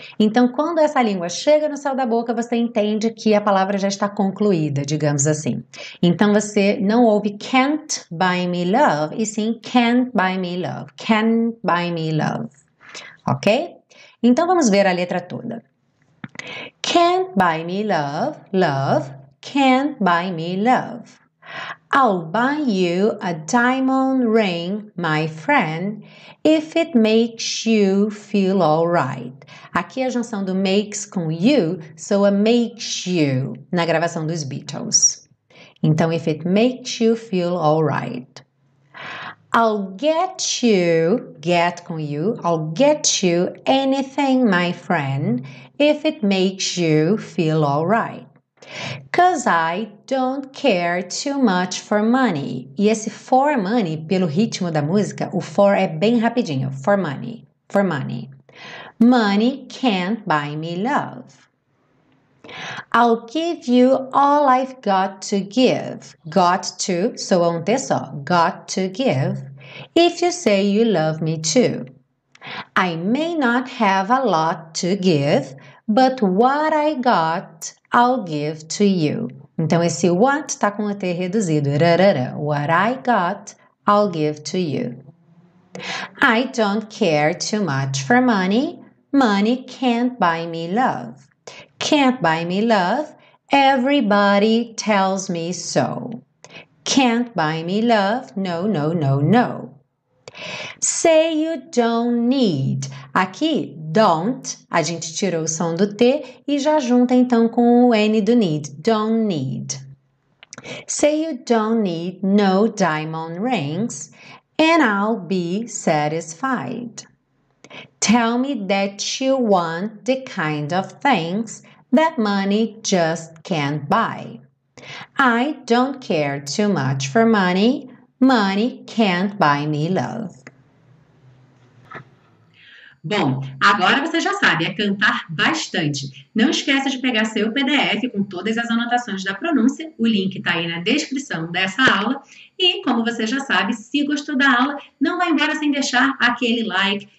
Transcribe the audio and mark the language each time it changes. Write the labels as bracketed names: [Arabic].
[Portuguese] Então, quando essa língua chega no céu da boca, você entende que a palavra já está concluída, digamos assim. Então, você não ouve [English] can't buy me love, [Portuguese] e sim [English] can't buy me love. Can't buy me love. [Portuguese] Ok? Então vamos ver a letra toda. [English] Can't buy me love, love, can't buy me love. I'll buy you a diamond ring, my friend, if it makes you feel all right. [Portuguese] Aqui a junção do makes com you soa makes you na gravação dos Beatles. Então, [English] if it makes you feel all right. I'll get you, get com you, I'll get you anything, my friend, if it makes you feel all right. 'Cause I don't care too much for money. [Portuguese] E esse for money, pelo ritmo da música, o for é bem rapidinho. [English] For money, for money. Money can't buy me love. I'll give you all I've got to give. Got to, [Portuguese] soa um T só. [English] Got to give. If you say you love me too. I may not have a lot to give, but what I got, I'll give to you. [Portuguese] Então, esse what está com o T reduzido. Rarara. [English] What I got, I'll give to you. I don't care too much for money. Money can't buy me love. Can't buy me love. Everybody tells me so. Can't buy me love. No, no, no, no. Say you don't need. [Portuguese] Aqui, don't, a gente tirou o som do T e já junta então com o N do need. [English] Don't need. Say you don't need no diamond rings and I'll be satisfied. Tell me that you want the kind of things that money just can't buy. I don't care too much for money. Money can't buy me love. [Portuguese] Bom, agora você já sabe, é cantar bastante. Não esqueça de pegar seu PDF com todas as anotações da pronúncia. O link está aí na descrição dessa aula. E, como você já sabe, se gostou da aula, não vai embora sem deixar aquele like.